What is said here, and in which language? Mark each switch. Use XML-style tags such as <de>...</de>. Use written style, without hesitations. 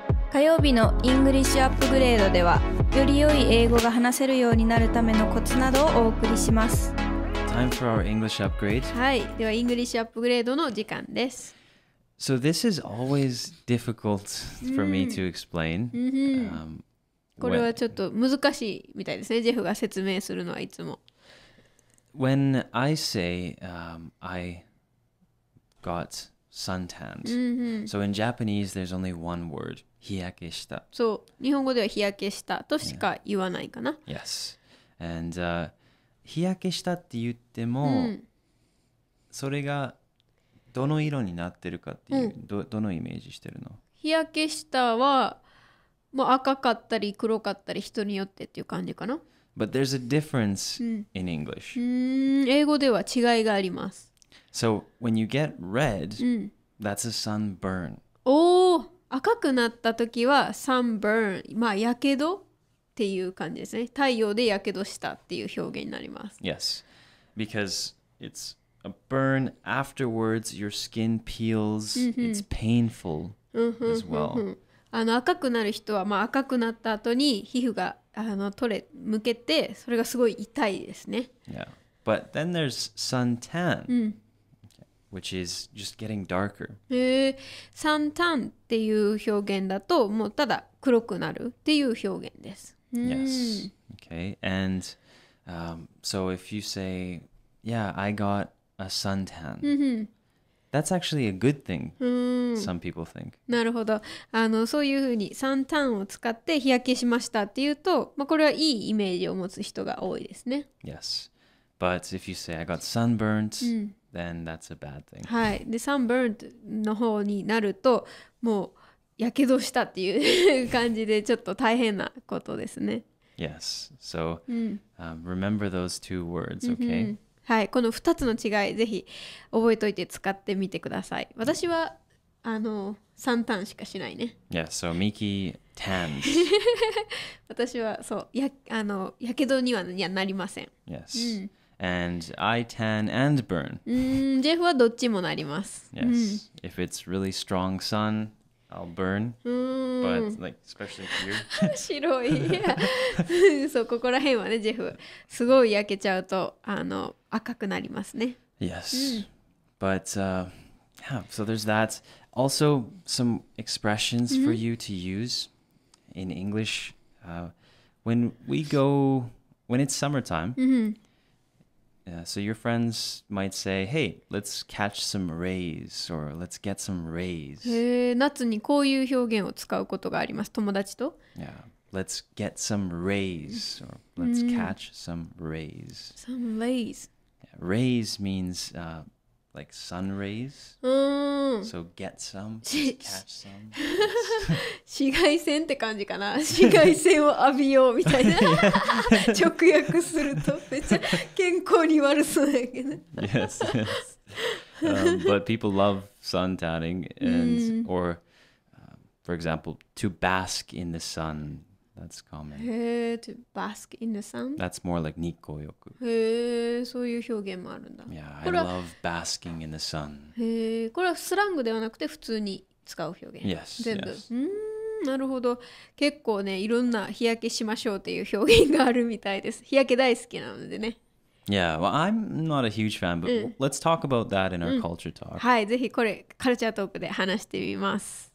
<ja>火曜日の English Upgrade では、より良い英語が話せるようになるためのコツなどをお送りします。</ja> <en>Time for our English Upgrade.</en> <ja>はい、では English Upgrade の時間です。</ja> <en>So this is always difficult for me to explain.</en> <ja>これはちょっと難しいみたいですね。ジェフが説明するのはいつも。</ja> <en>When I say, I got suntanned. So in Japanese, there's only one word.</en> <ja>日焼けした。そう。日本語では日焼けしたとしか言わないかな。</ja> <en>Yeah. Yes.</en> <ja>And, 日焼けしたって言っても、それがどの色になってるかっていう、どのイメージしてるの？日焼けしたは、もう赤かったり黒かったり人によってっていう感じかな。</ja> <en>But there's a difference in English.</en> <ja>英語では違いがあります。</ja> <en>So when you get red, that's a sunburn.</en> <ja>おお、赤くなった時は sunburn、まあ火傷っていう感じですね。太陽で火傷したっていう表現になります。</ja> <en>Yes, because it's a burn. Afterwards, your skin peels. It's painful as well.</en> <ja>あの赤くなる人は、まあ、赤くなった後に皮膚があの取れ向けてそれがすごい痛いですね。</ja> <en>Yeah. But then there's suntan, which is just getting darker.</en> <ja>Suntan っていう表現だともうただ黒くなるっていう表現です。</ja> <en>Yes. Okay. And so if you say, yeah, I got a suntan. That's actually a good thing, some people think.</en> <ja>なるほど。あの、そういうふうにサンタンを使って日焼けしましたっていうと、まあ、これはいいイメージを持つ人が多いですね。</ja> <en>Yes. But if you say I got sunburnt, then that's a bad thing.</en> <ja>はい。で、sunburnt の方になると、もう、やけどしたっていう感じでちょっと大変なことですね。</ja> <en>Yes. So, remember those two words, okay?</en> <ja>はい、この2つの違いぜひ覚えといて使ってみてください。私はあのサンタンしかしないね。</ja> <en>Yeah, so Miki tans.</en> <ja>私はそう、やあの火傷にはなりません。</ja> <en>Yes. And I tan and burn.</en> <ja>ジェフはどっちもなります。</ja> <en>Yes. If it's really strong sun, I'll burn. But like especially here.</en> <ja>白い。そう、ここら辺はね、ジェフすごい焼けちゃうとあの赤くなりますね。</ja> <en>Yes. But, yeah, so there's that. Also, some expressions for you to use in English. When we go, when it's summertime, so your friends might say, hey, let's catch some rays or let's get some rays.</en> <ja>夏にこういう表現を使うことがあります。友達と。</ja> <en>Yeah. Let's get some rays or let's catch some rays. Some rays. Rays means like sun rays. So get some, catch some.</en> <ja>紫外線って感じかな。紫外線を浴びようみたいな。直訳するとめっちゃ健康に悪そうだけど。</ja> <en>Yes, yes. But people love sun tanning and or, for example, to bask in the sun. That's common. To bask in the sun? That's more like 日光浴.</en> <ja>そういう表現もあるんだ。 Yeah, I love basking in the sun. これはスラングではなくて普通に使う表現。</ja> <en>Yes, 全部。Yes.</en> <ja>なるほど。結構ね、いろんな日焼けしましょうっていう表現があるみたいです。日焼け大好きなのでね。</ja> <en>Yeah, well, I'm not a huge fan, but let's talk about that in our culture talk.</en> <ja>はい、ぜひこれカルチャートークで話してみます。</ja>